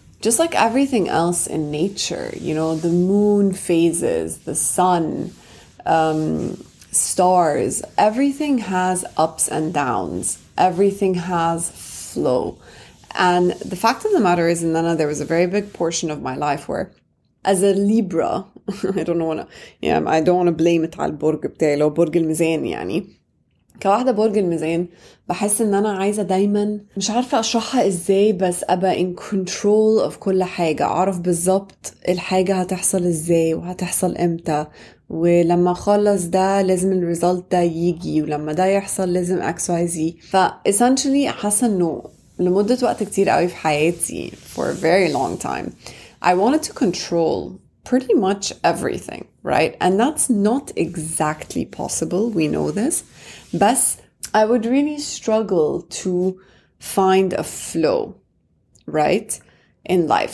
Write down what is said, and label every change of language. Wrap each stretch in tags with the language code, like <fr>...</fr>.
<en>Just like everything else in nature, the moon phases, the sun, stars, everything has ups and downs. Everything has flow. And the fact of the matter is, Nana, there was a very big portion of my life where, as a Libra, I don't want to blame it</en> <ar>على البرج بتاعي لو برج الميزان يعني. كواحدة برج الميزان بحس إن أنا عايزة دايماً مش عارفة أشرحها إزاي بس أبقى</ar> <en>in control of</en> <ar>كل حاجة، أعرف بالظبط الحاجة هتحصل إزاي وهتحصل إمتى ولما أخلص ده لازم الريزلت ده يجي ولما ده يحصل لازم X Y Z.</ar> <en>ف essentially</en> <ar>حاسة إنه لمدة وقت كتير قوي في حياتي</ar> <en>for a very long time I wanted to control pretty much everything, right? And that's not exactly possible, we know this. But I would really struggle to find a flow, right, in life.</en>